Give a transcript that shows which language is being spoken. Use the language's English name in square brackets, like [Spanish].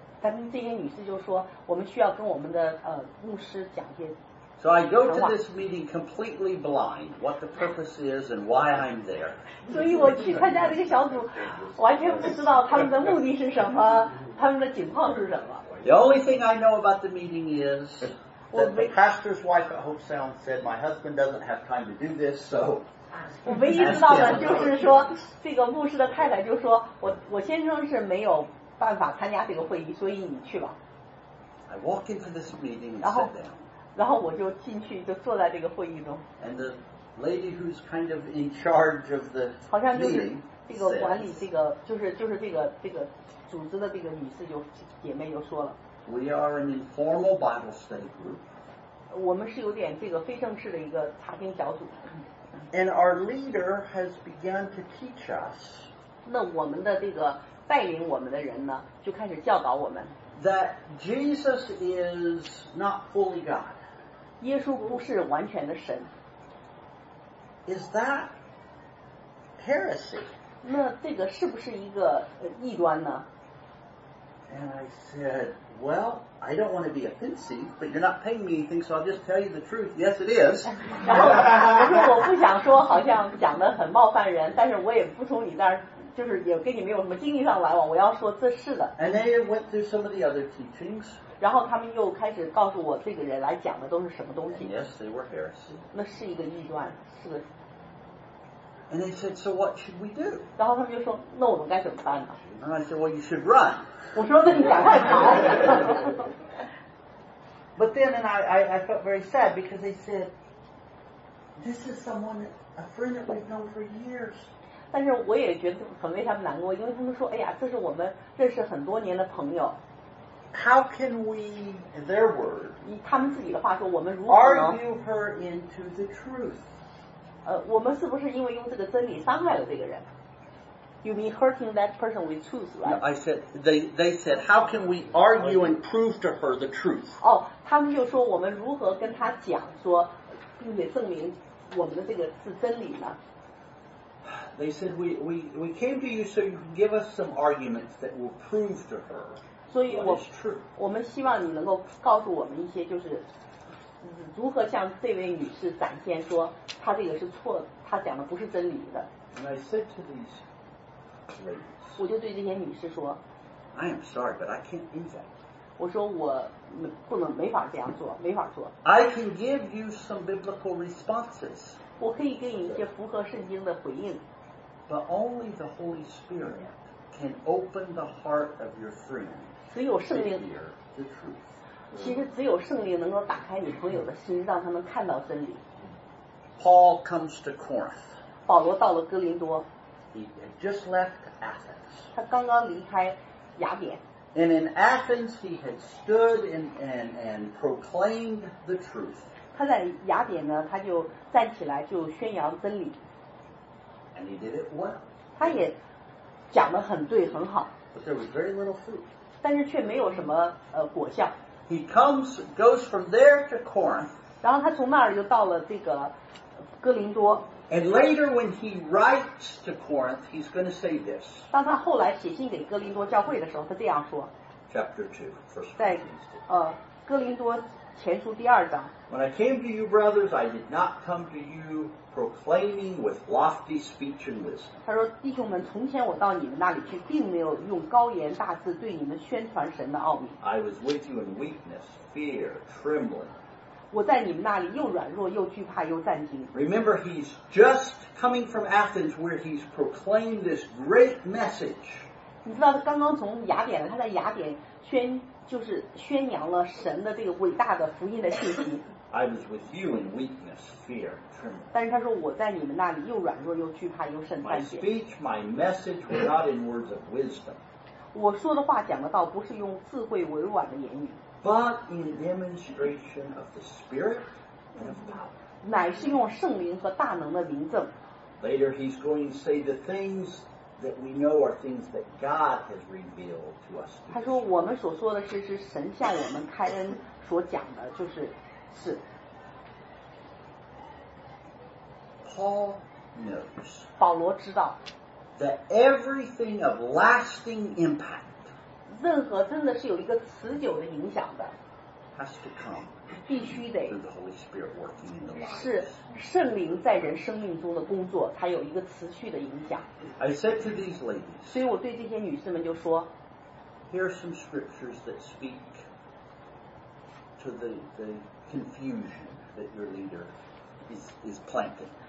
[Chinese] 但是这些女士就说，我们需要跟我们的牧师讲些。 [English] So I go to this meeting completely blind, what the purpose is and why I'm there. [Chinese] 所以我去参加这个小组，完全不知道他们的目的是什么，他们的情况是什么。 [English] The only thing I know about the meeting is that the pastor's wife at Hope Sound said, my husband doesn't have time to do this, so... [Chinese] 我唯一知道的就是说，这个牧师的太太就说，我先生是没有办法参加这个会议，所以你去吧。 [English] I walk into this meeting and sit down. [Chinese] 然后我就进去，就坐在这个会议中。 [English] And the lady who's kind of in charge of the meeting, [Chinese] 好像就是这个管理这个，就是这个组织的这个女士就姐妹就说了。 [English] We are an informal Bible study group. [Chinese] 我们是有点这个非正式的一个查经小组。 [English] And our leader has begun to teach us. [Chinese] 那我们的这个带领我们的人呢，就开始教导我们。 [English] That Jesus is not fully God. [Chinese] 耶稣不是完全的神。 [English] Is that heresy? [Chinese] 那这个是不是一个异端呢？ [English] And I said, well, I don't want to be offensive, but you're not paying me anything, so I'll just tell you the truth. Yes, it is. [Chinese] 然后我说我不想说好像讲得很冒犯人，但是我也不从你那儿，就是也跟你没有什么经济上来往，我要说这是的。 [English] And they went through some of the other teachings. [Chinese] 然后他们又开始告诉我这个人来讲的都是什么东西。 [English] And yes, they were heresy. [Chinese] 那是一个异端，是个。 [English] And they said, so what should we do? [Chinese] 然后他们就说，那我们该怎么办呢？ [English] And I said, well, you should run. [Chinese] 我说，那你赶快跑。 [English] But then, and I felt very sad because they said, this is someone, a friend that we've known for years. [Chinese] 但是我也觉得很为他们难过，因为他们说，哎呀，这是我们认识很多年的朋友。 [English] How can we, in their word, [Chinese] 以他们自己的话说，我们如何能 [English] argue her into the truth? [Chinese] 我们是不是因为用这个真理伤害了这个人？ [English] You mean hurting that person with truth, right? No, I said, they said, how can we argue and prove to her the truth? [Chinese] 哦，他们就说我们如何跟他讲说，并且证明我们的这个是真理呢？ [English] They said, we came to you so you can give us some arguments that will prove to her what is true. [Chinese] 我们希望你能够告诉我们一些就是如何向这位女士展现说她这个是错的，她讲的不是真理的。 [English] And I said to these ladies, [Chinese] 我就对这些女士说， [English] I am sorry, but I can't do that. [Chinese] 我说我不能没法这样做，没法做。 [English] I can give you some biblical responses. [Chinese] 我可以给你一些符合圣经的回应。 [English] But only the Holy Spirit can open the heart of your friend. [Chinese] 只有圣灵。 [English] To hear the truth. [Chinese] 其实只有圣灵能够打开你朋友的心，让他们看到真理。 [English] Paul comes to Corinth. [Chinese] 保罗到了哥林多。 [English] He had just left Athens. [Chinese] 他刚刚离开雅典。 [English] And in Athens he had stood and proclaimed the truth. [Chinese] 他在雅典呢，他就站起来就宣扬真理。 [English] And he did it well. [Chinese] 他也讲得很对，很好。 [English] But there was very little fruit. [Chinese] 但是却没有什么果效。 [English] He comes, goes from there to Corinth. [Chinese] 然后他从那儿就到了这个哥林多。 [English] And later when he writes to Corinth, he's going to say this. [Chinese] 当他后来写信给哥林多教会的时候，他这样说。 [English] Chapter 2, 1 Corinthians 2. [Chinese] 哥林多前书第二章。 [English] When I came to you, brothers, I did not come to you proclaiming with lofty speech and wisdom. [Chinese] 他说，弟兄们，从前我到你们那里去，并没有用高言大志对你们宣传神的奥秘。 [English] I was with you in weakness, fear, trembling. [Chinese] 我在你们那里又软弱又惧怕又战惊。 [English] Remember, he's just coming from Athens, where he's proclaimed this great message. [Chinese] 你知道他刚刚从雅典，他在雅典宣。就是宣扬了神的这个伟大的福音的信息。 [English] I was with you in weakness, fear, trembling. [Chinese] 但是他说我在你们那里又软弱又惧怕又甚胆怯。 [English] My speech, my message were not in words of wisdom. [Chinese] 我说的话讲的道不是用智慧委婉的言语。 [English] But in demonstration of the Spirit and of power. [Chinese] 乃是用圣灵和大能的临证。 [English] Later he's going to say the things. That we know are things that God has revealed to us. [Chinese] 他说我们所说的是神向我们开恩所讲的，就是是。 [English] Paul knows. [Chinese] 保罗知道。 [English] That everything of lasting impact. [Chinese] 任何真的是有一个持久的影响的。 [English] Has to come. [Chinese] 必须得。 [English] Through the Holy Spirit working in the lives. [Chinese] 是。圣灵在人生命中的工作才有一个持续的影响。 [English] I said to these ladies, [Chinese] 所以我对这些女士们就说 [English] Here are some scriptures that speak to the confusion that your leader is planting.